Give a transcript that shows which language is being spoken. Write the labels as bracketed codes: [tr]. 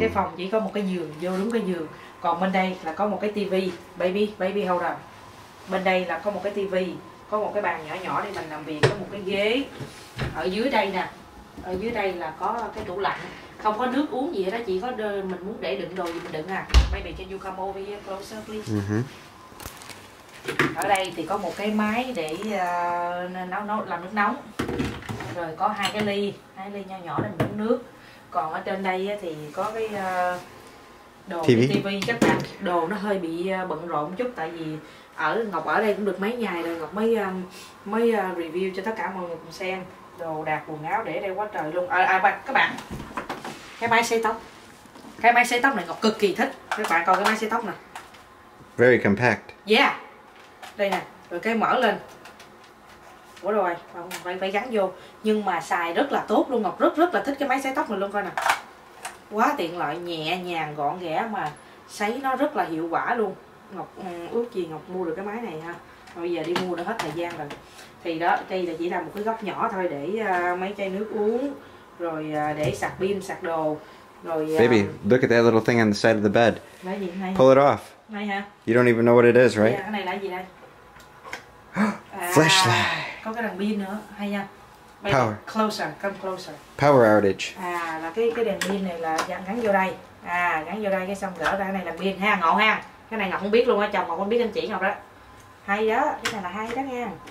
[vi] Cái phòng chỉ có một cái giường, vô đúng cái giường. Còn bên đây là có một cái tivi. [en] Baby hold on. [vi] Bên đây là có một cái tivi, có một cái bàn nhỏ nhỏ để mình làm việc, có một cái ghế. Ở dưới đây nè, ở dưới đây là có cái tủ lạnh, không có nước uống gì hết đó, chỉ có mình muốn để đựng đồ gì mình đựng à. [en] Baby, can you come over here closer please? [vi] Ở đây thì có một cái máy để nấu làm nước nóng, rồi có hai ly nhỏ nhỏ để mình uống nước. Còn ở trên đây thì có cái đồ tivi các bạn. Đồ nó hơi bị bận rộn một chút, tại vì Ngọc ở đây cũng được mấy ngày rồi, Ngọc mới review cho tất cả mọi người cùng xem. Đồ đạc quần áo để đây quá trời luôn. Các bạn, cái máy sấy tóc này Ngọc cực kỳ thích. Các bạn coi cái máy sấy tóc nè, [en] very compact. [vi] Yeah, đây nè, rồi cái mở lên. Ủa rồi, phải gắn vô, nhưng mà xài rất là tốt luôn. Ngọc rất rất là thích cái máy sấy tóc này luôn, coi nè, quá tiện lợi, nhẹ nhàng gọn ghẽ mà sấy nó rất là hiệu quả luôn. Ngọc ước gì Ngọc mua được cái máy này ha. Bây giờ đi mua đã hết thời gian rồi. Thì đó, đây là chỉ là một cái góc nhỏ thôi để mấy chai nước uống, rồi để sạc pin, sạc đồ. Rồi [en] baby, look at that little thing on the side of the bed. [vi] Cái gì này? [en] Pull it off. [vi] Này ha. [en] You don't even know what it is, right? [vi] Cái này là gì đây? [en] Flashlight. [vi] Có cái đèn pin nữa, hay nha. [en] Baby, power. Closer, come closer. Power outage. [vi] Là cái đèn pin này là gắn vô đây. Gắn vô đây cái xong gỡ ra, cái này là pin ha, ngộ ha. Cái này Ngọc không biết luôn á, chồng Ngọc không biết anh chỉ Ngọc đó. Hay đó, cái này là hay đó nha.